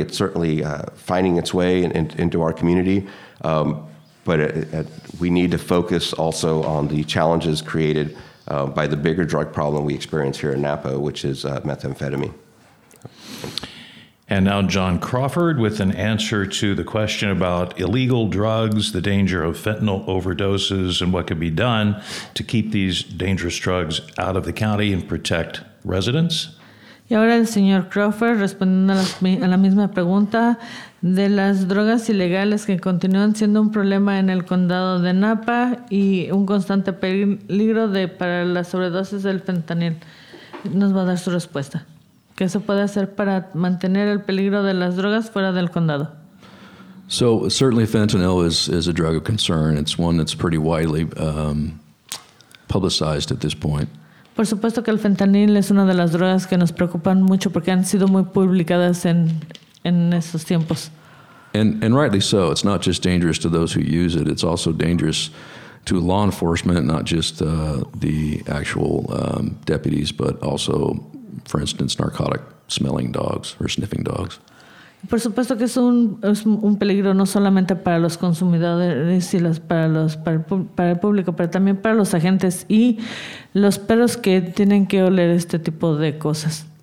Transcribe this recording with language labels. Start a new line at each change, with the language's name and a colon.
English: It's certainly finding its way into our community, but we need to focus also on the challenges created by the bigger drug problem we experience here in Napa, which is methamphetamine. And now John Crawford with an answer to the question about illegal drugs, the danger of fentanyl overdoses, and what could be done to keep these dangerous drugs out of the county and protect residents.
Spanish: Y ahora el señor Crawford respondiendo a la misma pregunta de las drogas ilegales que continúan siendo un problema en el condado de Napa y un constante peligro para las sobredosis del fentanil. Nos va a dar su respuesta. ¿Qué se puede hacer para mantener el peligro de las drogas fuera del condado?
English: So certainly fentanyl is a drug of concern. It's one that's pretty widely publicized at this point.
Spanish: Por supuesto que el fentanil es una de las drogas que nos preocupan mucho porque han sido muy publicadas en estos tiempos.
English: And rightly so. It's not just dangerous to those who use it. It's also dangerous to law enforcement, not just the actual deputies, but also, for instance, narcotic smelling dogs or sniffing dogs.
Spanish: Por supuesto que es un peligro no solamente para los consumidores y para el público, pero también para los agentes y los perros que tienen que oler este tipo de cosas.